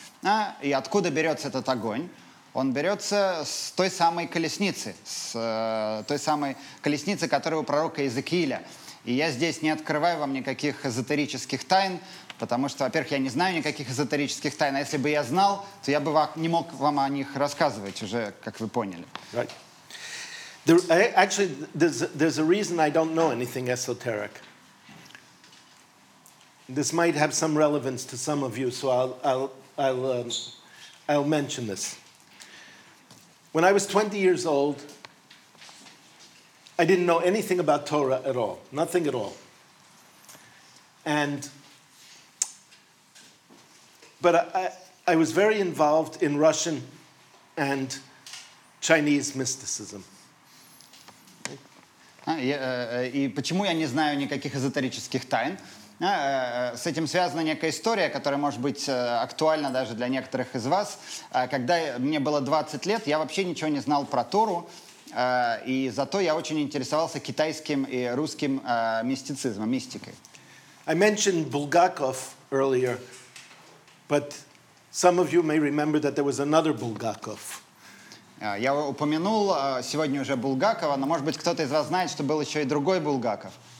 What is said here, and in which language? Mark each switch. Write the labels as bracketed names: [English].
[Russian] А, и откуда берется этот огонь? Он берется с той самой колесницы, с той самой колесницы, которая у пророка Иезекииля. И я здесь не открываю вам никаких эзотерических тайн, потому что, во-первых, я не знаю никаких эзотерических тайн, а если бы я знал, то я бы не мог вам о них рассказывать уже, как вы поняли. [English] Actually, there's a reason I don't know anything esoteric. This might have some relevance to some of you, so I'll mention this. When I was 20 years old, I didn't know anything about Torah at all, nothing at all. But I was very involved in Russian and Chinese mysticism. [Russian] И почему я не знаю никаких эзотерических тайн? С этим связана некая история, которая может быть актуальна даже для некоторых из вас. Когда мне было 20 лет, я вообще ничего не знал про Тору, и зато я очень интересовался китайским и русским мистицизмом, мистикой. [English] I mentioned Bulgakov earlier, but some of you may remember that there was another Bulgakov. [Russian] Я упомянул сегодня уже Булгакова, но, может быть, кто-то из вас знает, что был еще и другой Булгаков.